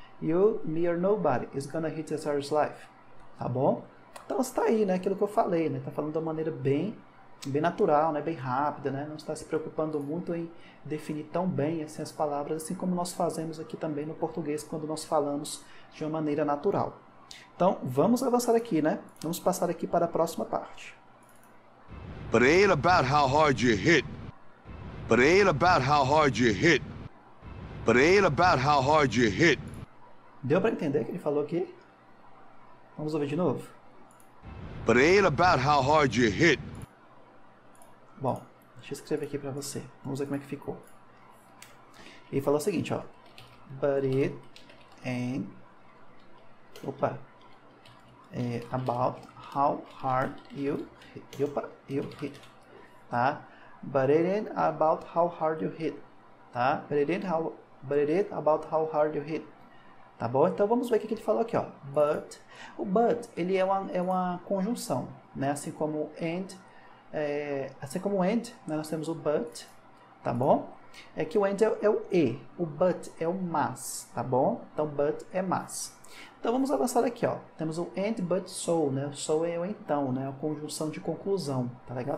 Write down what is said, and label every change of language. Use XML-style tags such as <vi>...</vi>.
<en>You, me or nobody is gonna hit as hard as life.</en> <pt>Tá bom? Então está aí, né? Aquilo que eu falei, né? Tá falando de uma maneira bem natural, né? Bem rápida, né? Não está se preocupando muito em definir tão bem assim as palavras, assim como nós fazemos aqui também no português quando nós falamos de uma maneira natural. Então, vamos avançar aqui, né? Vamos passar aqui para a próxima parte.</pt> <en>But it ain't about how hard you hit. But it ain't about how hard you hit. But it ain't about how hard you hit.</en> <pt>Deu para entender o que ele falou aqui? Vamos ouvir de novo.</pt> <en>But it ain't about how hard you hit.</en> <pt>Bom, deixa eu escrever aqui para você. Vamos ver como é que ficou. Ele falou o seguinte, ó.</pt> <en>But it ain't, opa, about how hard you hit. Opa, you hit, tá? But it ain't about how hard you hit, tá? But it ain't about how hard you hit.</en> <pt>Tá bom? Então vamos ver o que ele falou aqui, ó. But, o but, ele é uma conjunção, né? Assim como and. É, assim como o and, né, nós temos o but, tá bom? É que o and é o e, o but é o mas, tá bom? Então, but é mas. Então, vamos avançar aqui, ó. Temos o and, but, so, né? O so é o então, né? A conjunção de conclusão, tá legal?</pt>